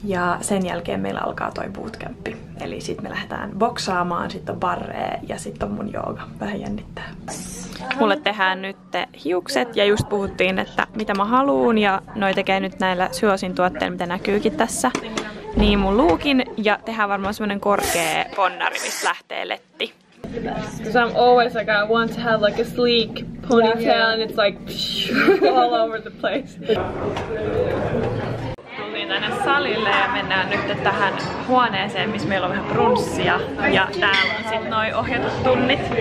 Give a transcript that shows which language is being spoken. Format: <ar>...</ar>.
<fi>Ja sen jälkeen meillä alkaa toi bootcampi. Eli sit me lähdetään boksaamaan, sit on barree ja sit on mun jooga. Vähän jännittää. Mulle tehdään nyt hiukset ja just puhuttiin, että mitä mä haluun, ja noi tekee nyt näillä Syossin tuotteilla, mitä näkyykin tässä, niin mun luukin, ja tehdään varmaan semmonen korkee ponnari, missä lähtee letti.</fi> <en>Because I'm always like, I want to have like a sleek ponytail, yeah, yeah. And it's like psh, all over the place.</en> <fi>Tultiin tänne salille ja mennään nyt tähän huoneeseen, missä meillä on vähän brunssia, ja täällä on sit noi ohjatut tunnit.</fi>